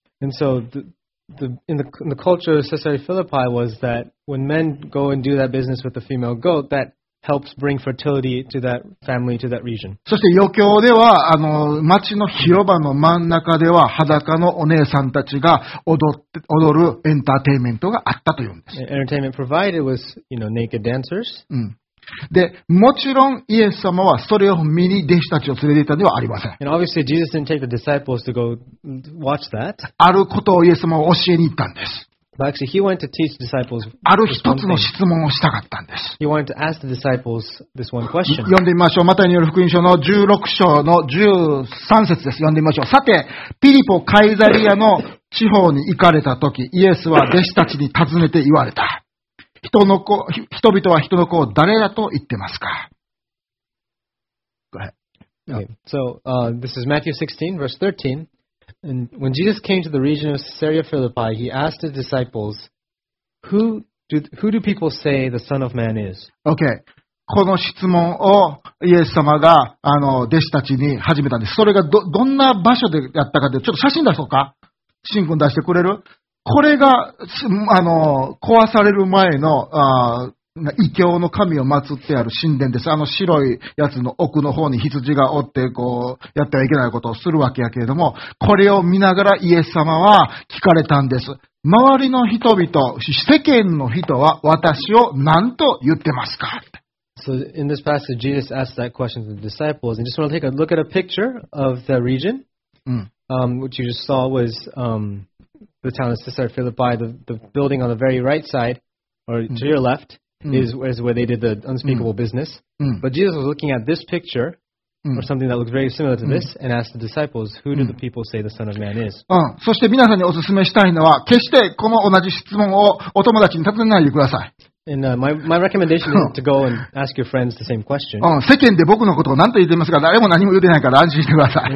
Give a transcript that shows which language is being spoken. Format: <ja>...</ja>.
<en>And so In the culture of Caesarea Philippi was that when men go and do that business with the female goat, that helps bring fertility to that family, to that region.</en> <ja>そして余興では町の広場の真ん中では裸のお姉さんたちが踊るエンターテインメントがあったというんです。</ja> <en>Entertainment provided was, naked dancers.</en> <ja>うん。で、もちろんイエス様はそれを見に弟子たちを連れていたではありません。</ja> <en>And obviously Jesus didn't take the disciples to go watch that.</en> <ja>あることをイエス様は教えに行ったんです。</ja> <en>But actually he went to teach disciples.</en> <ja>ある一つの質問をしたかったんです。</ja> <en>He wanted to ask the disciples this one question.</en> <ja>読んでみましょう。マタイによる福音書の16章の13節です。読んでみましょう。さて、ピリポカイザリアの地方に行かれた時、イエスは弟子たちに尋ねて言われた。人々は人の子を誰だと言ってますか。</ja> <en>Go ahead. Okay. So, this is Matthew 16, verse 13. And when Jesus came to the region of Caesarea Philippi, he asked his disciples, who do people say the Son of Man is? Okay.</en> <ja>この質問をイエス様が弟子たちに始めたんです。それが どんな場所でやったかで、ちょっと写真出そうか。シン君出してくれる？これが壊される前の異教の神を祀ってある神殿です。白いやつの奥の方に羊がおって、こうやってはいけないことをするわけやけれども、これを見ながらイエス様は聞かれたんです。周りの人々、世間の人は私を何と言ってますか。</ja> <en>So in this passage, Jesus asked that question to the disciples. And just want to take a look at a picture of the region, which you just saw was, the town of Caesarea Philippi, the building on the very right side, or to your left, is where they did the unspeakable business. But Jesus was looking at this picture, or something that looks very similar to this, and asked the disciples, who do the people say the Son of Man is?</en> <ja>そして皆さんにお勧めしたいのは、決してこの同じ質問をお友達に尋ねないでください。</ja> <en>And my recommendation is to go and ask your friends the same question.</en> <ja>世間で僕のことを何と言ってますか？誰も何も言ってないから安心してください。</ja>